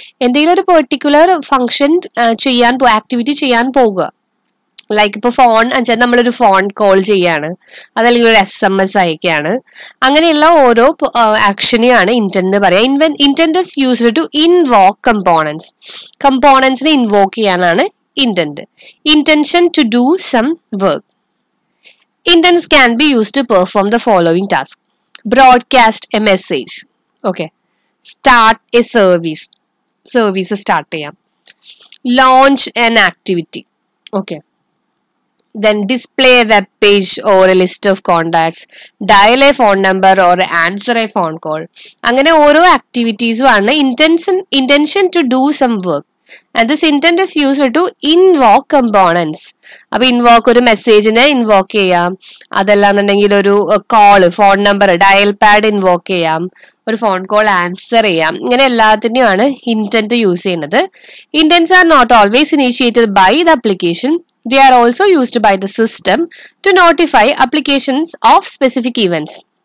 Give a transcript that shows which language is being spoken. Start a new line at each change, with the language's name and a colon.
Malayalam: എന്തെങ്കിലും ഒരു particular function ചെയ്യാൻ ആക്ടിവിറ്റി ചെയ്യാൻ പോവുക. ലൈക്ക് ഇപ്പോൾ ഫോൺ വെച്ചാൽ നമ്മളൊരു ഫോൺ കോൾ ചെയ്യാണ്, അതല്ലെങ്കിൽ ഒരു SMS അയക്കുകയാണ്. അങ്ങനെയുള്ള ഓരോ ആക്ഷനെയാണ് ഇന്റന്റ് എന്ന് പറയുക.
English: Intent is used to invoke components.
Malayalam: കമ്പോണൻസിനെ invoke ചെയ്യാനാണ്
English: intention to do some work. Intents can be used to perform the following task: broadcast a message, okay, start a service
Malayalam: start cheyam,
English: launch an activity, okay, then display a web page or a list of contacts, dial a phone number or answer a phone call.
Malayalam: Angane oro activities varna
English: intention to do some work. And this intent is used to invoke components.
Malayalam: അപ്പൊ invoke ഒരു മെസ്സേജിനെ invoke ചെയ്യാം, അതെല്ലാം എന്നുണ്ടെങ്കിൽ ഒരു call, phone number, dial pad invoke ചെയ്യാം, ഒരു phone call answer ചെയ്യാം. ഇങ്ങനെ എല്ലാത്തിനെയുമാണ് ഇന്റന്റ് യൂസ് ചെയ്യുന്നത്.
English: Intents are not always initiated by the application, they are also used by the system to notify applications of specific events.